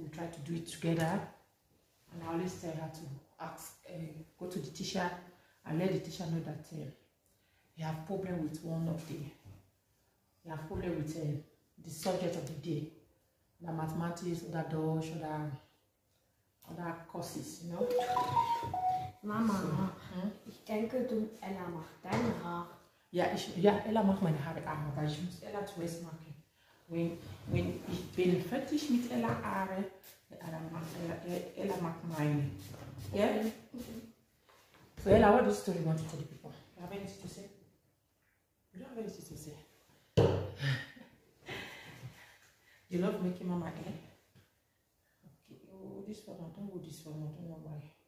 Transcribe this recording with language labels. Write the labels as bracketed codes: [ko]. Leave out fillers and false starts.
[en] We try to do it together. And I always tell her to ask, go to the teacher and let the teacher know that he have problem with one of the, he have problem with the subject of the day. The mathematics, other Dutch, other courses, you know. [de] Mama, so, ich denke, du Ella macht deine Haare. Ja, Ella macht meine Haare auch, aber ich muss Ella zuerst machen. Wenn ich bin fertig mit Ella Haare, Ella macht meine. Ja? Yeah? [en] Okay. So Ella, what do you still want to tell the people? You have anything to say? You don't have anything to say. You love making mama, eh? Okay, oh, this one, don't go this one, I don't know why.